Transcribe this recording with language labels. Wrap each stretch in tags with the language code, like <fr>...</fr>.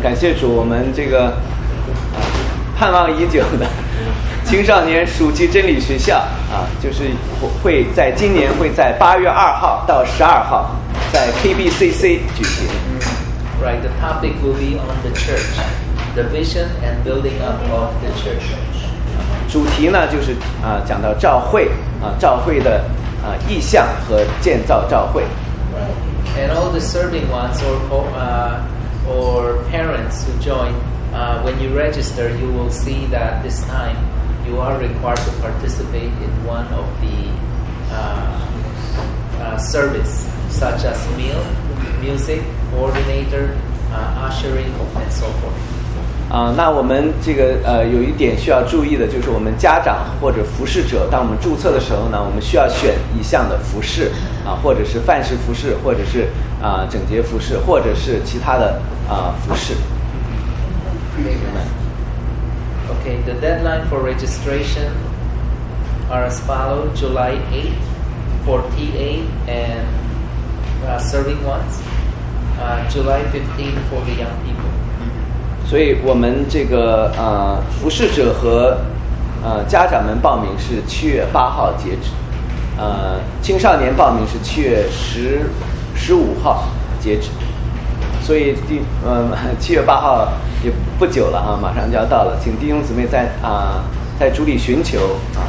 <zh>感谢主，我们这个盼望已久的。青少年暑期真理学校就是会在今年会在8月2号到12号在 KBCC 举行。</zh> <en>Right, the topic will be on the church, the vision and building up of the church.</en> <zh>主题呢就是讲到召会召会的意向和建造召会。</zh> <en>Right. And all the serving ones or parents who join When you register, you will see that this time you are required to participate in one of the service, such as meal, music, coordinator, ushering, and so forth.</en> <zh>那我们这个有一点需要注意的，就是我们家长或者服侍者，当我们注册的时候呢，我们需要选一项的服侍啊，或者是范式服侍，或者是整洁服侍，或者是其他的服侍。</zh> <en>Okay, the deadline for registration are as follows: July 8th for TA and serving ones, July 15th for the young people.</en> <zh>所以我们这个服侍者和家长们报名是7月8号截止，青少年报名是7月15号截止。所以7月8号也不久了啊，马上就要到了，请弟兄姊妹在主里寻求啊。</zh>